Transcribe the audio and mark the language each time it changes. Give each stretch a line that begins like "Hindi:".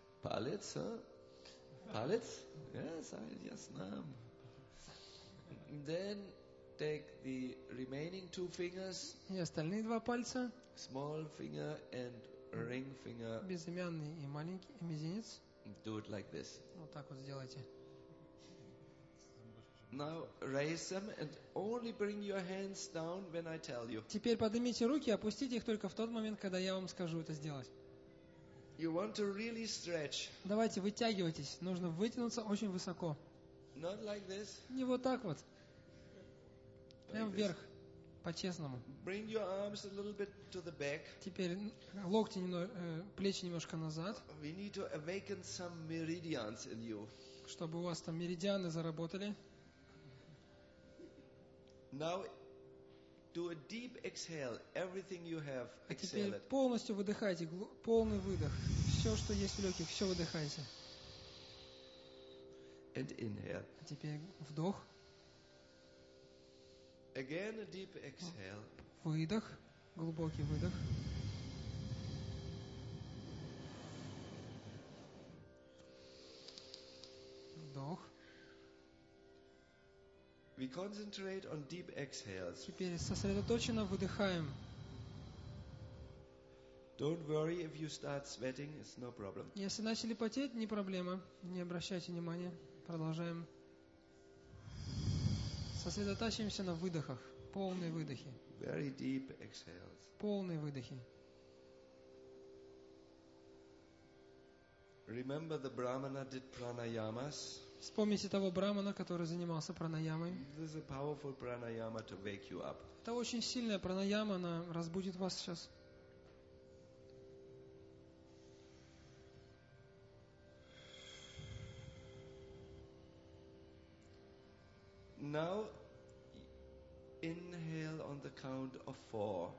Russian: Палец, а? Палец?
English: Yes, I yes,
Russian: nam.
English: Then take the remaining two fingers.
Russian: И остальные два пальца.
English: Small finger and ring finger.
Russian: Безымянный и маленький, и мизинец.
English: Do it like this.
Russian: Вот так вот сделайте.
English: Now raise them and only bring your hands down when I tell you.
Russian: Теперь поднимите руки, опустите их только в тот момент, когда я вам скажу это сделать.
English: You want to really stretch.
Russian: Давайте вытягивайтесь. Нужно вытянуться очень высоко.
English: Not like this.
Russian: Не вот так вот. Прям вверх, по-честному.
English: Bring your arms a little bit to the back.
Russian: Теперь локти плечи немножко назад.
English: We need to awaken some meridians in you.
Russian: Чтобы у вас там меридианы заработали.
English: Now do a deep exhale. Everything you have, exhale it.
Russian: Теперь полностью выдыхайте, полный выдох. Все, что есть в легких, все выдыхайте.
English: And inhale.
Russian: Теперь вдох.
English: Again a deep exhale.
Russian: Выдох, глубокий выдох. Вдох.
English: We concentrate on deep exhales.
Russian: Теперь сосредоточенно выдыхаем.
English: Don't worry if you start sweating, it's no problem.
Russian: Если начали потеть, не проблема. Не обращайте внимания. Продолжаем. Сосредотачиваемся на выдохах. Полные выдохи.
English: Very deep exhales.
Russian: Полные выдохи.
English: Remember the Brahmana did pranayamas.
Russian: Вспомните того брамана, который занимался пранаямой.
English: This is a powerful pranayama to wake you up.
Russian: Это очень сильная пранаяма, она разбудит вас сейчас.
English: Now inhale on the count of four.